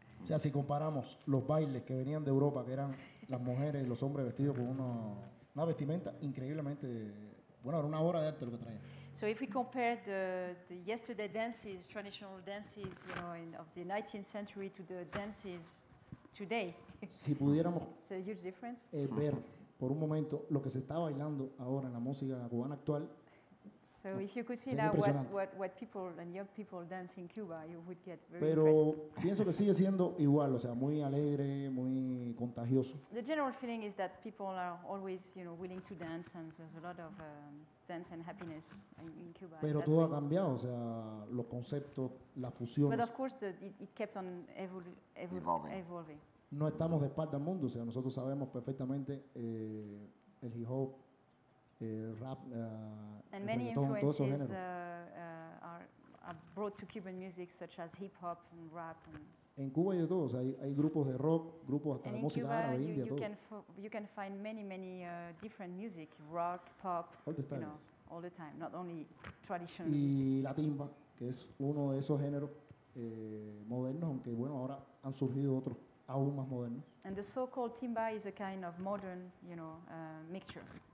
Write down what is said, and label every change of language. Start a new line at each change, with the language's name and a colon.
Spanish: O sea, si comparamos los bailes que venían de Europa, que eran las mujeres y los hombres vestidos con una vestimenta increíblemente, bueno, era una obra de arte lo que traían.
English: So if we compare the yesterday dances, traditional dances, you know, of the 19th century to the dances today,
Spanish: si pudiéramos
English: it's a huge difference.
Spanish: Ver por un momento lo que se está bailando ahora en la música cubana actual.
English: So if you could see now what people and young people dance in Cuba, you would get very
Spanish: pero
English: impressed.
Spanish: Pienso que sigue siendo igual, o sea, muy alegre, muy contagioso.
English: The general feeling is that people are always, you know, willing to dance, and there's a lot of dance and happiness in Cuba.
Spanish: Pero todo ha cambiado, o sea, los conceptos, las fusiones.
English: But of course, it kept on evolving.
Spanish: No estamos de espalda al mundo, o sea, nosotros sabemos perfectamente el hip hop.
English: Rap, and many influences are brought to Cuban music, such as hip hop and rap.
Spanish: En Cuba hay de todos. Hay grupos de rock, grupos hasta la música árabe, India, todo.
English: And in Cuba, you can find many different music, rock, pop, you know, all the time, not only traditional.
Spanish: Y la timba, que es uno de esos géneros modernos, aunque bueno, ahora han surgido otros aún más modernos.
English: And the so-called timba is a kind of modern, you know, mixture.